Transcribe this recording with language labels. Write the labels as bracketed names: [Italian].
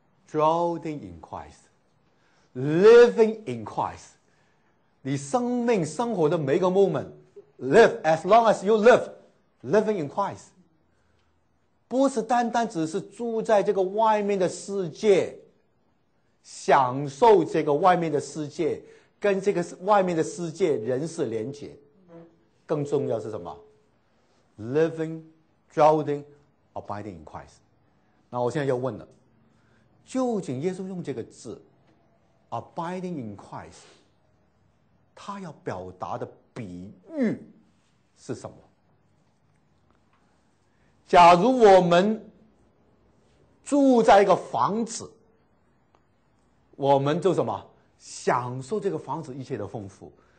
[English] Dwelling in Christ, living in Christ, [Chinese] 你生命生活的每个 moment, [English] live as long as you live, living in Christ, [Chinese] 不是单单只是住在这个外面的世界，享受这个外面的世界，跟这个外面的世界人事连结，更重要是什么？ [English] Living, dwelling, abiding in Christ. [Chinese] 那我现在要问了，究竟耶稣用这个字 [English] abiding in Christ， [Chinese] 他要表达的比喻是什么？假如我们住在一个房子，我们就什么享受这个房子一切的丰富。